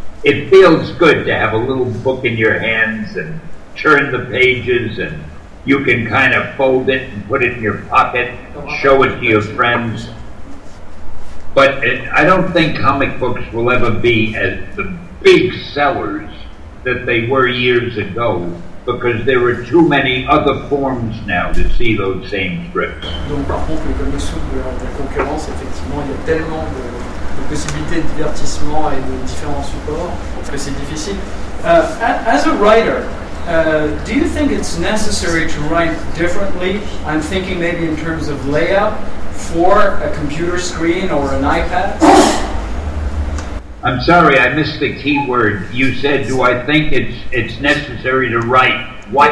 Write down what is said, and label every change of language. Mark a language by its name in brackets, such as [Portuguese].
[English] It feels good to have a little book in your hands and turn the pages, and you can kind of fold it and put it in your pocket, show it to your friends. But I don't think comic books will ever be as the big sellers that they were years ago, because there are too many other forms now to see those same strips. [French] Donc par contre, comme le souffle de la concurrence, effectivement, il y a tellement de possibilités de divertissement et de différents supports que c'est difficile. [English] As a writer, do you think it's necessary to write differently? I'm thinking maybe in terms of layout for a computer screen or an iPad. I'm sorry, I missed the key word. You said, do I think it's necessary to write what?